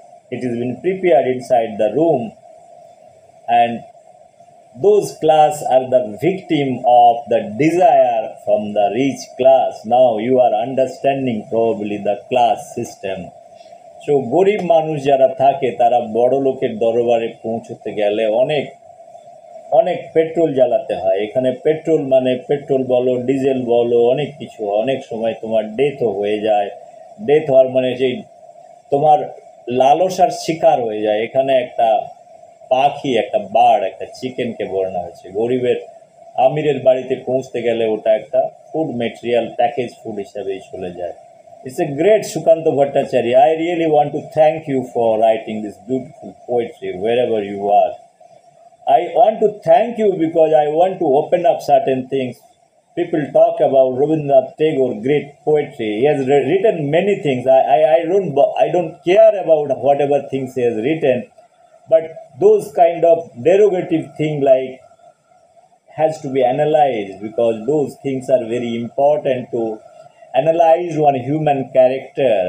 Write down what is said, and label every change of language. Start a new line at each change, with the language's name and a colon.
English: It has been prepared inside the room, and those class are the victim of the desire from the rich class. Now you are understanding probably the class system.
Bangla: So gorib manush jara thake tara boro loker darbare pouchhte gele onek অনেক petrol জ্বালাতে হয়। এখানে petrol মানে petrol বলো diesel বলো অনেক কিছু, অনেক সময় তোমার ডেথ হয়ে যায়। ডেথ হওয়ার মানে সেই তোমার লালসার শিকার হয়ে যায়। এখানে একটা পাখি, একটা বার্ড, একটা চিকেনকে বর্ণনা হচ্ছে। গরিবের আমিরের বাড়িতে পৌঁছতে গেলে ওটা একটা ফুড মেটেরিয়াল, প্যাকেজ ফুড হিসাবেই চলে যায়।
English: It's a great Sukanta Bhattacharya, I really want to thank you for writing this beautiful poetry wherever you are. I want to thank you because I want to open up certain things. People talk about Rabindranath Tagore, great poetry. He has written many things. I don't care about whatever things he has written. But those kind of derogative things like has to be analyzed, because those things are very important to analyze one human character.